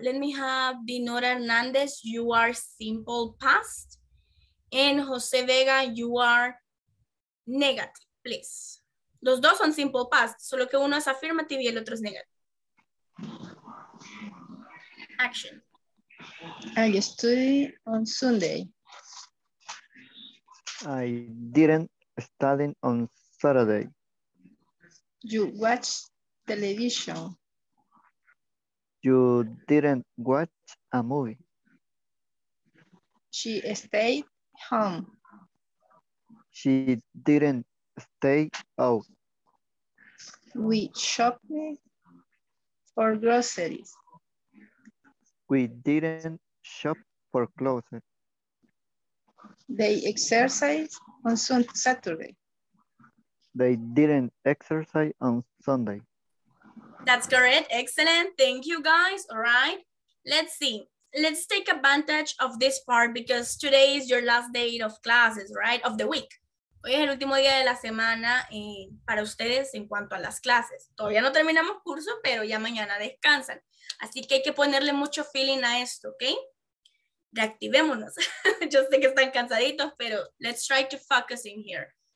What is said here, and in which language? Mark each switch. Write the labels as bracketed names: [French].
[English] Let me have Dinora Hernandez, you are simple past. And Jose Vega, you are negative, please. [Spanish] Los dos son simple past, solo que uno es affirmative y el otro es negative. [English] Action. I study on Sunday. I didn't study on Saturday. You watch television. You didn't watch a movie. She stayed home. She didn't stay out. We shopped for groceries. We didn't shop for clothes. They exercised on Saturday. They didn't exercise on Sunday. That's correct. Excellent. Thank you, guys. All right. Let's see. Let's take advantage of this part because today is your last day of classes, right? Of the week. [Spanish] Hoy es el último día de la semana para ustedes en cuanto a las clases. Todavía no terminamos curso, pero ya mañana descansan. Así que hay que ponerle mucho feeling a esto, ¿ok? Reactivémonos. Yo sé que están cansaditos, pero [English] let's try to focus in here.